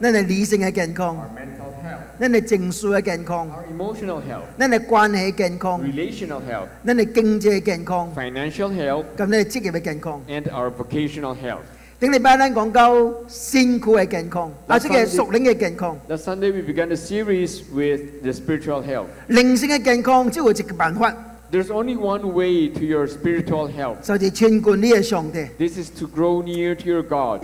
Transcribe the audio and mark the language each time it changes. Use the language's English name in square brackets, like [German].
[Min Nan Chinese] 咱的理性的健康。 [English] Our mental health. [Min Nan Chinese] 咱的情绪的健康。 [English] Our emotional health. [Min Nan Chinese] 咱的关系的健康。 [English] Relational health. [Min Nan Chinese] 咱的经济的健康。 [English] Financial health. [Min Nan Chinese] 咱的职业的健康。 [English] And our vocational health. [Min Nan Chinese] 顶礼拜咱讲到身躯的健康， 啊，这个属灵的健康。 [English] The Sunday we began the series with the spiritual health. [Min Nan Chinese] 灵性的健康只有一个办法。 [English] There's only one way to your spiritual health. [Min Nan Chinese] 就是亲近你的上帝。 [English] This is to grow near to your God.